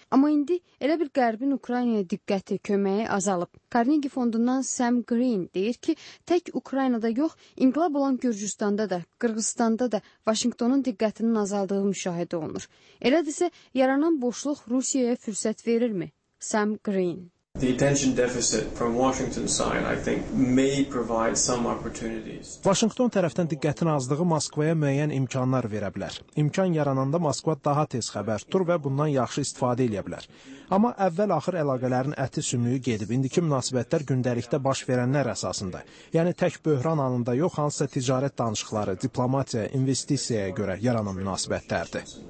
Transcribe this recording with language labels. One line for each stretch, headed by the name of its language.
Azerbaijani: Amma indi elə bir Qərbin Ukraynaya diqqəti, köməyi azalıb. Carnegie fondundan Sam Green deyir ki, tək Ukraynada yox, İnqilab olan Gürcüstanda da, Qırğızstanda da Vaşinqtonun diqqətinin azaldığı müşahidə olunur. Elədirsə, yaranan boşluq Rusiyaya fürsət verirmi? Sam Green.
English: The attention deficit from Washington side, I think, may provide some opportunities.
Azerbaijani: Washington tərəfdən diqqətin azlığı Moskvaya müəyyən imkanlar verə bilər. İmkan yarananda Moskva daha tez xəbər tutur və bundan yaxşı istifadə edə bilər. Amma əvvəl-axır əlaqələrin əti sümüyü gedib, indiki münasibətlər gündəlikdə baş verənlər əsasında. Yəni tək böhran anında yox, hansısa ticarət danışıqları, diplomatiya, investisiyaya görə yaranan münasibətlərdir.